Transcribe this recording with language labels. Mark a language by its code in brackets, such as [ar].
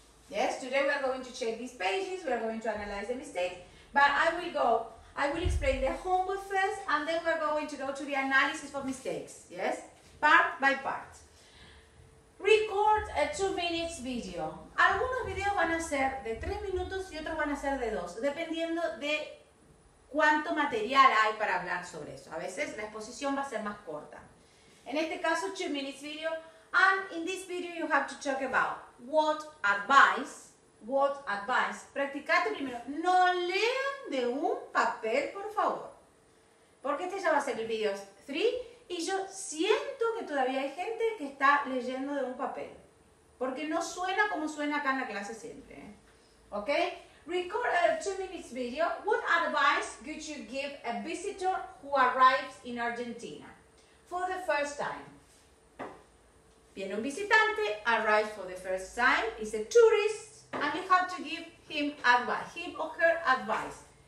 [en] Yes, today we are going to check these pages, we are going to analyze the mistakes, but I will explain the homework first, and then we are going to go to the analysis for mistakes, yes? Part by part. Record a 2 minutes video. [es] Algunos videos van a ser de 3 minutos y otros van a ser de 2, dependiendo de cuánto material hay para hablar sobre eso. A veces la exposición va a ser más corta. En este caso, [en] 2 minutes video, and in this video you have to talk about What advice? [es] Practicate primero. No lean de un papel, por favor. Porque este ya va a ser el video 3 y yo siento que todavía hay gente que está leyendo de un papel. Porque no suena como suena acá en la clase siempre. [en] ¿Ok? Record a 2 minutes video. What advice could you give a visitor who arrives in Argentina for the first time? [es] Viene un visitante, [en] arrives for the first time, is a tourist, and you have to give him advice, him or her advice.